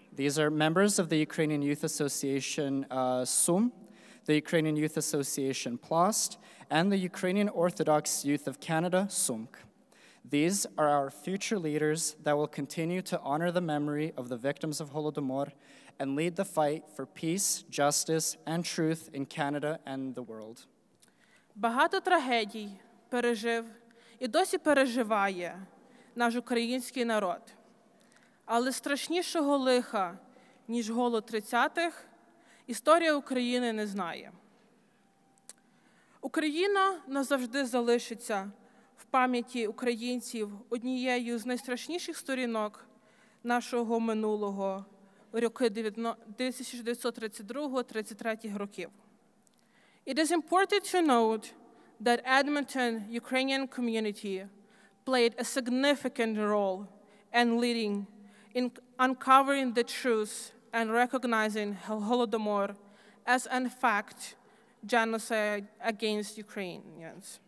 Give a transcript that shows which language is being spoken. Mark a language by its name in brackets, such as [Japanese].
[English] These are members of the Ukrainian Youth Association SUM, the Ukrainian Youth Association PLOST, and the Ukrainian Orthodox Youth of Canada SUMK. These are our future leaders that will continue to honor the memory of the victims of Holodomor and lead the fight for peace, justice, and truth in Canada and the world. [Ukrainian] Багато трагедій пережив і досі переживає наш український народ. Але страшнішого лиха, ніж голод 30-х, історія України не знає. Україна назавжди залишиться в пам'яті українців однією з найстрашніших сторінок нашого минулого, роки 1932-33 років. [English] It is important to note that Edmonton Ukrainian community played a significant role in leading in uncovering the truth and recognizing Holodomor as in fact genocide against Ukrainians.